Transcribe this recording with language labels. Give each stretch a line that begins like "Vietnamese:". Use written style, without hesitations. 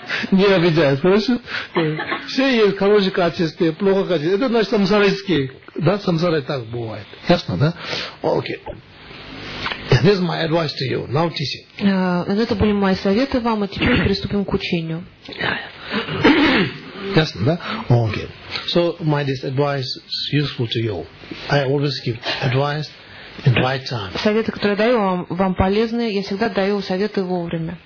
Russian: Не обижаюсь, хорошо? Все есть хорошие качества, плохо качества. Это наш самсарайский. Да, самсарай так бывает. Ясно, да? Окей. Okay.
English: This is my advice to you. Now teach it.
Russian: Это были мои советы вам, а теперь приступим к учению.
English: Yes,
Russian: да?
English: Okay. So my this advice is useful to you. I always give advice in right time.
Russian: Советы, которые я даю вам, вам полезные, я всегда даю советы вовремя.